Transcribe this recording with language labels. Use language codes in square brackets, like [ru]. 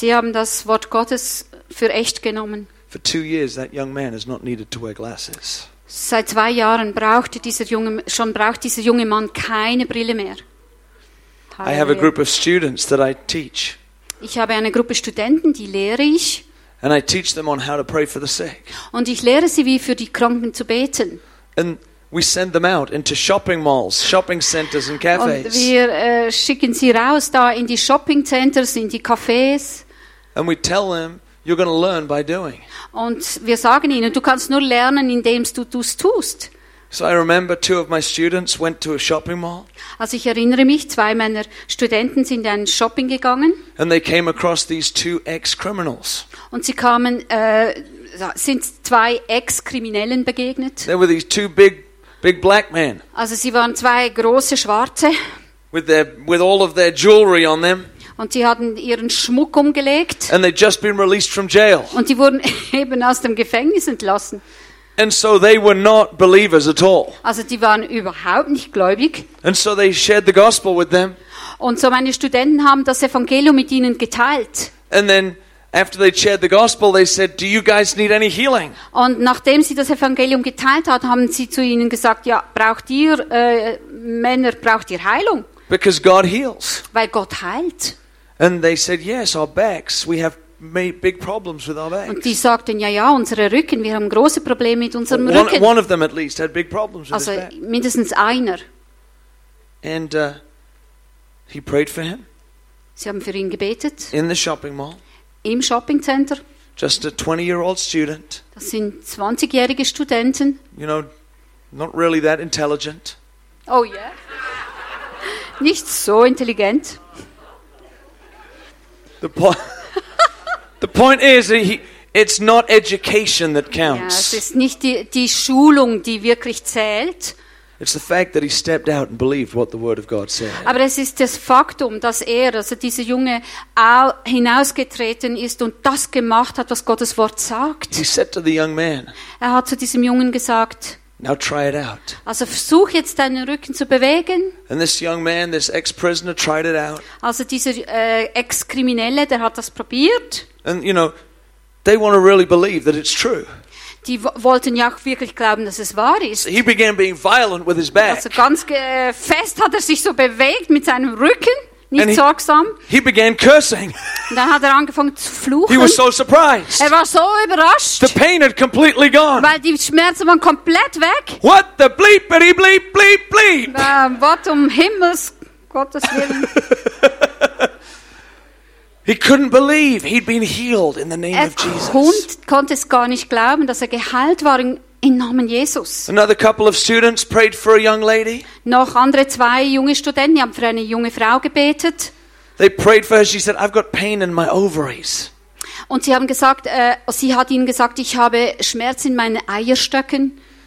[de] Sie haben das Wort Gottes für echt genommen. [en] For 2 years, that young man has not needed to wear glasses. [de] Seit 2 Jahren braucht dieser junge Mann keine Brille mehr. [en] I have a group of students that I teach. [de] Ich habe eine Gruppe Studenten, die lehre ich. [en] And I teach them on how to pray for the sick. [de] Und ich lehre sie, wie für die Kranken zu beten. [en] And we send them out into shopping malls, shopping centers and cafes. [de] Und wir schicken sie raus da in die Shopping Centers, in die Cafés. [en] And we tell them, you're going to learn by doing. [de] Und wir sagen ihnen, du kannst nur lernen, indem du das tust. [en] So I remember 2 of my students went to a shopping mall. [de] Also ich erinnere mich, 2 meiner Studenten sind in ein Shopping gegangen. [en] And they came across these 2 ex-criminals. [de] Und sie kamen sind 2 Ex-Kriminellen begegnet. [en] They were these 2 big black men. [de] Also sie waren 2 große Schwarze. [en] With all of their jewelry on them. [de] Und sie hatten ihren Schmuck umgelegt. [en] And they'd just been released from jail. [de] Und die wurden eben aus dem Gefängnis entlassen. [en] And so they were not believers at all. [de] Also die waren überhaupt nicht gläubig. [en] And so they shared the gospel with them. [de] Und so meine Studenten haben das Evangelium mit ihnen geteilt. [en] And then after they shared the gospel, they said, "Do you guys need any healing?" [de] Und nachdem sie das Evangelium geteilt hat, haben sie zu ihnen gesagt, ja, braucht ihr Heilung? [en] Because God heals. [de] Weil Gott heilt. [en] And they said, "Yes, our backs. We have made big problems with our backs." [de] Und die sagten, ja, unsere Rücken, wir haben große Probleme mit unserem Rücken. [en] One of them at least had big problems with [de] also, [en] his back. [de] Also mindestens einer. [en] And he prayed for him. [de] Sie haben für ihn gebetet. [en] In the shopping mall. [de] Im Shopping Center. [en] Just a 20-year-old student. [de] Das sind 20-jährige Studenten. [en] You know, not really that intelligent. Oh yeah. [de] Nicht so intelligent. [en] The point is that it's not education that counts. [de] Ja, es ist nicht die Schulung, die wirklich zählt. [en] It's the fact that he stepped out and believed what the word of God said. [de] Aber es ist das Faktum, dass also dieser Junge hinausgetreten ist und das gemacht hat, was Gottes Wort sagt. [en] He said to the young man. [de] Er hat zu diesem Jungen gesagt. [en] Now try it out. [de] Also versuch jetzt deinen Rücken zu bewegen. [en] And this young man, this ex-prisoner, tried it out. [de] Also dieser Ex-Kriminelle, der hat das probiert. [en] And you know, they want to really believe that it's true. [de] Die wollten ja auch wirklich glauben, dass es wahr ist. [en] He began being violent with his back. [de] Also ganz fest hat er sich so bewegt mit seinem Rücken, nicht sorgsam. [en] He began cursing. [de] Dann hat er angefangen zu fluchen. [en] He was so surprised. [de] Er war so überrascht. [en] The pain had completely gone. [de] Weil die Schmerzen waren komplett weg. [en] What the bleepity bleep bleep bleep. [de] Was um Himmels Gottes Willen. [en] He couldn't believe he'd been healed in the name of Jesus. [de] Er konnte es gar nicht glauben, dass er geheilt war im Namen Jesus. [en] Another couple of students prayed for a young lady. [de] Noch andere zwei junge Studenten haben für eine junge Frau gebetet. [en] They prayed for her. She said, "I've got pain in my ovaries." [de] Und sie haben gesagt, sie hat ihnen gesagt, ich habe Schmerz in meinen Eierstöcken.